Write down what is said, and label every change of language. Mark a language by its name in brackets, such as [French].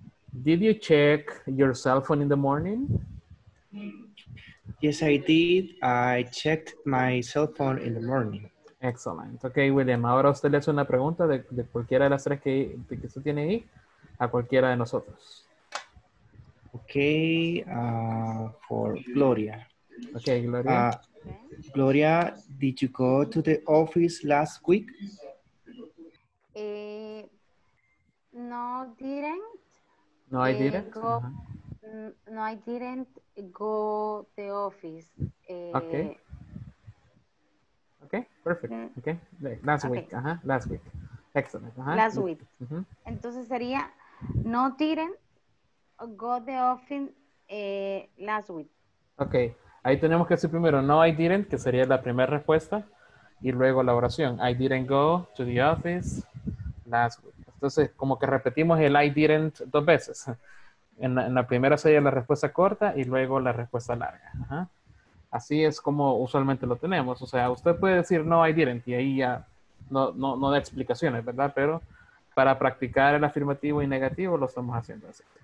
[English] Did you check your cell phone in the morning? Yes, I did. I checked my cell phone in the morning. Excellent. Okay, William. [Spanish] Ahora usted le hace una pregunta de cualquiera de las tres que usted tiene ahí a cualquiera de nosotros. [English] Okay, for Gloria. Okay, Gloria. Gloria, did you go to the office last week? No, didn't. No, I didn't. No, I didn't go to the office. Okay. Okay, perfect. Okay, last week. Okay. Last week. Excellent. Last week. Mm-hmm. [Spanish] Entonces sería, [English] no didn't go to the office last week. [Spanish] Okay, ahí tenemos que decir primero, [English] no, I didn't, [Spanish] que sería la primera respuesta, y luego la oración. [English] I didn't go to the office last week. [Spanish] Entonces, como que repetimos el [English] I didn't [Spanish] dos veces. En la primera sería la respuesta corta y luego la respuesta larga. Ajá. Así es como usualmente lo tenemos. O sea, usted puede decir [English] no, I didn't, [Spanish] y ahí ya no da explicaciones, ¿verdad? Pero para practicar el afirmativo y negativo lo estamos haciendo así.